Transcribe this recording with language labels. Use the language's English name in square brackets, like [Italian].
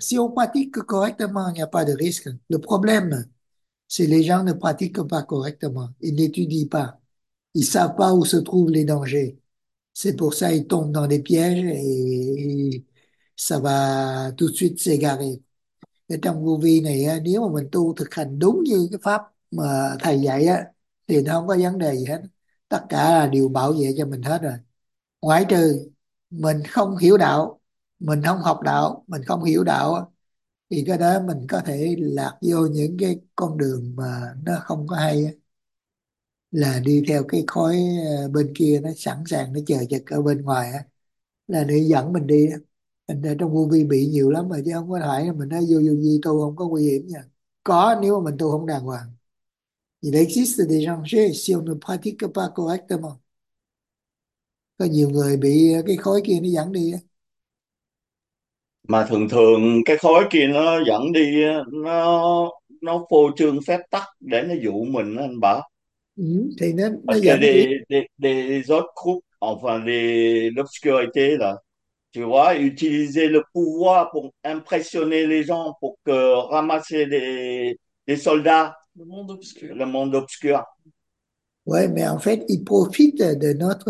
[French] Si on pratique correctement, il n'y a pas de risque. Le problème, c'est les gens ne pratiquent pas correctement. Ils n'étudient pas. Ils savent pas où se trouvent les dangers. C'est pour ça qu'ils tombent dans des pièges et ça va tout de suite s'égarer. [Vietnamese] Et trong vô vi này, nếu mà mình tu thực hành đúng như cái pháp mà thầy dạy á, thì nó không có vấn đề gì hết, tất cả là điều bảo vệ cho mình hết rồi, ngoại trừ mình không hiểu đạo, mình không học đạo, mình không hiểu đạo thì cái đó mình có thể lạc vô những cái con đường mà nó không có hay, là đi theo cái khói bên kia, nó sẵn sàng nó chờ chực ở bên ngoài là để dẫn mình đi. Mình ở trong vô vi bị nhiều lắm rồi, chứ không có phải mình nói vô vô vi tu không có nguy hiểm nha, có nếu mà mình tu không đàng hoàng. [French] Il existe des dangers si on ne pratique pas correctement. [Vietnamese] Có nhiều người bị cái khối kia nó dẫn đi. Mà thường thường cái khối kia nó dẫn đi, nó phô trương phép tắc để nó dụ mình, anh bảo. Ừ, thì nó [French] Parce [Vietnamese] dẫn đi. [French] que des autres coups enfin de l'obscurité là tu vois utiliser le pouvoir pour impressionner les gens pour que ramasser des soldats Le monde obscur. le monde obscur. Oui, mais en fait, ils profitent de notre